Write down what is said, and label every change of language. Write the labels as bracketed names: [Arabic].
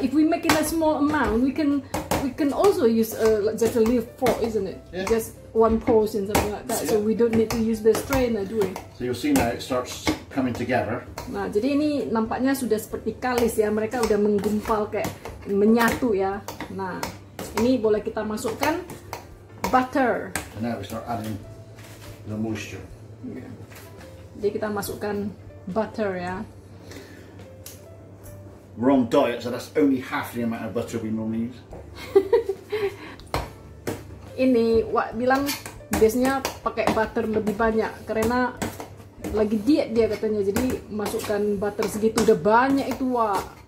[English] If we make in a small amount, we can also use just a leaf fork, isn't it? Yeah. Just one pose and something like that. Yeah. So we don't need to use the strainer, do we? So you'll see now it starts coming together. [Indonesian] Nah, jadi ini nampaknya sudah seperti kalis ya, mereka udah menggumpal kayak menyatu ya. Nah, ini boleh kita masukkan butter. [English] And now we start adding the moisture. [Indonesian] Yeah. Jadi kita masukkan butter ya. [English] We're on diet, so that's only half the amount of butter we normally use. [Indonesian] ini Wak bilang biasanya pakai butter lebih banyak karena lagi diet dia katanya, jadi masukkan butter segitu udah banyak itu Wak.